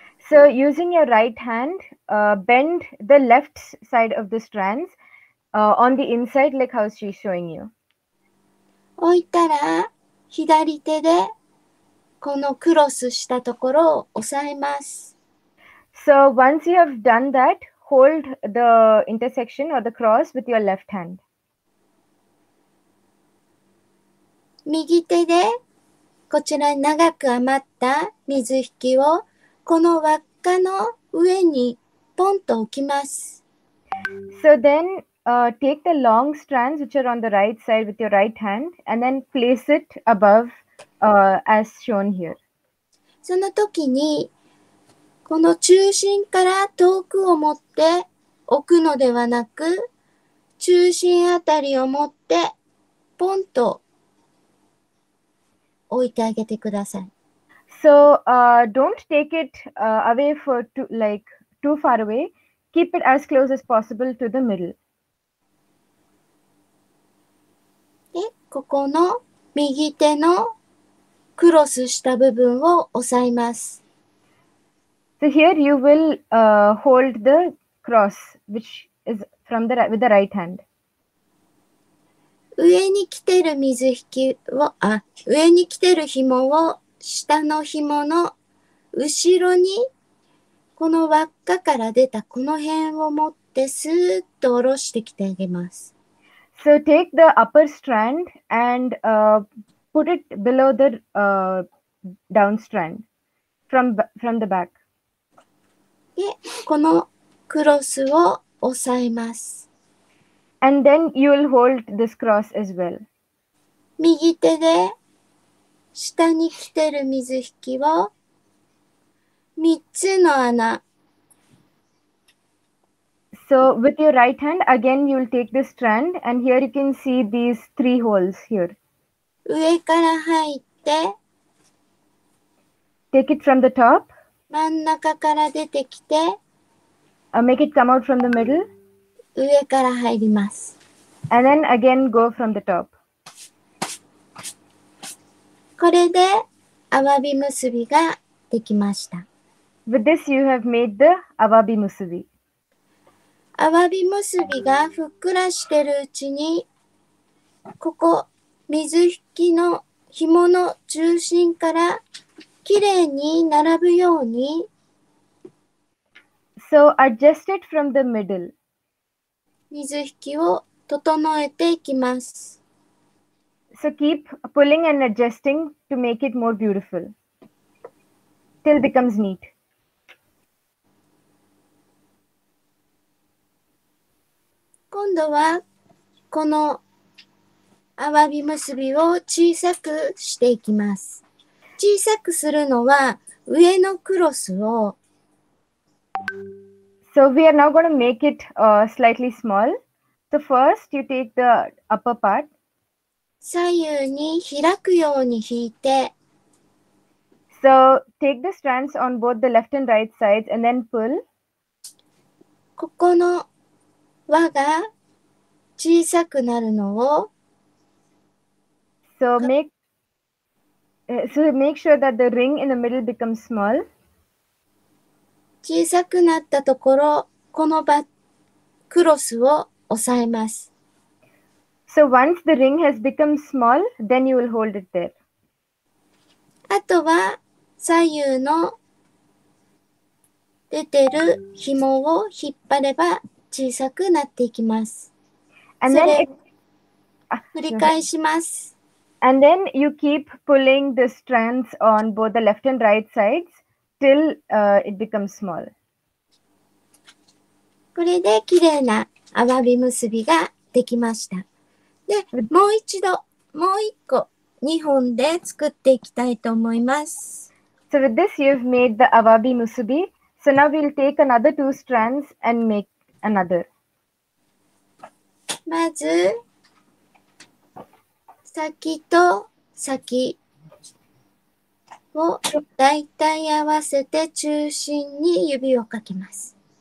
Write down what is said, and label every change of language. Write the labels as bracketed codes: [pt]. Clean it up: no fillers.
[en] So, using your right hand, bend the left side of the strands, on the inside, like how she's showing you. [ja] 置いたら、左手で、このクロスしたところを押さえます。 [en] So, once you have done that,Hold the intersection or the cross with your left hand. [ja] 右手でこちらに長く余った水引きをこの輪っかの上にポンと置きます。 [en] So then, take the long strands which are on the right side with your right hand and then place it above, as shown here. [ja] その時にこの中心から遠くを持って置くのではなく、中心あたりを持ってポンと置いてあげてください。 [en] So, don't take it, away for too, like, too far away. Keep it as close as possible to the middle. [ja] で、ここの右手のクロスした部分を押さえます。 [en] So here you will, hold the cross, which is from the, with the right hand. [ja] 上に来てる水引きを、上に来てる紐を下の紐の後ろにこの輪っかから出たこの辺を持ってスーッと下ろしてきてあげます。 [en] So take the upper strand and, put it below the, down strand from the back. [ja] で、このクロスを押さえます。 [en] And then you'll hold this cross as well. [ja] 右手で下に来てる水引きを3つの穴、 [en] So with your right hand, again, you'll take the strand. And here you can see these three holes here. [ja] 上から入って。 [en] Take it from the top. [ja] 真ん中から出てきて。 [en] Make it come out from the middle. [ja] 上から入ります。 [en] And then again, go from the top. [ja] これで、アワビ結びができました。 [en] With this, you have made the アワビ結び。 [ja] アワビ結びがふっくらしてるうちに、ここ、水引きの紐の中心からきれいに並ぶように。 [en] So adjust it from the middle. [ja] 水引きを整えていきます。 [en] So keep pulling and adjusting to make it more beautiful. Till it becomes neat. So we are now going to make it slightly small. So first you take the upper part. [ja] 左右に開くように引いて。 [en] So take the strands on both the left and right sides and then pull. [ja] ここの輪が小さくなるのを。 [en] So make sure that the ring in the middle becomes small. [ja] 小さくなったところ、このクロスを押さえます。 [en] So once the ring has become small, then you will hold it there. [ja] あとは左右の出てる紐を引っ張れば小さくなっていきます。 [en] And then [ja] 繰り返します。 [en] And then you keep pulling the strands on both the left and right sides till it becomes small. [ja] これで綺麗なアワビ結びができました。で、もう一度、もう一個、二本で作っていきたいと思います。 [en] So with this, you've made the awabi musubi. So now we'll take another two strands and make another. [ja] まず、先と先をだいたい合わせて中心に指をかけます。